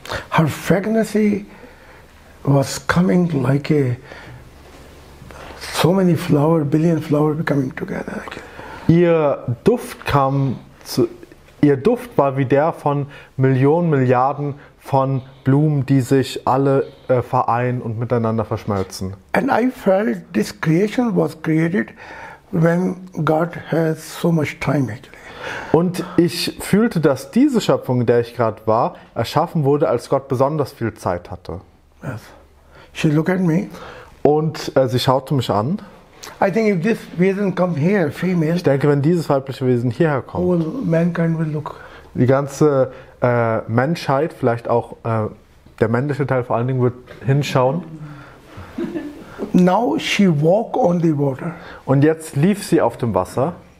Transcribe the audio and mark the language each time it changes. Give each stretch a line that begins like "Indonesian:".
English: Her pregnancy was coming like so many flowers, billion flowers coming together.
German: Ihr Duft war wie der von Millionen, Milliarden von Blumen, die sich alle vereinen und miteinander verschmelzen.
English: And I felt this creation was created when God has so much time actually.
German: Und ich fühlte, dass diese Schöpfung, in der ich gerade war, erschaffen wurde, als Gott besonders viel Zeit hatte.
English: Yes. She looked at me.
German: Und sie schaute mich an.
English: I think if this vision come here, female,
German: ich denke, wenn dieses weibliche Wesen hierher kommt,
English: all mankind will look.
German: Die ganze Menschheit, vielleicht auch der männliche Teil vor allen Dingen, wird hinschauen.
English: Now she walk on the water.
German: Und jetzt lief sie auf dem Wasser.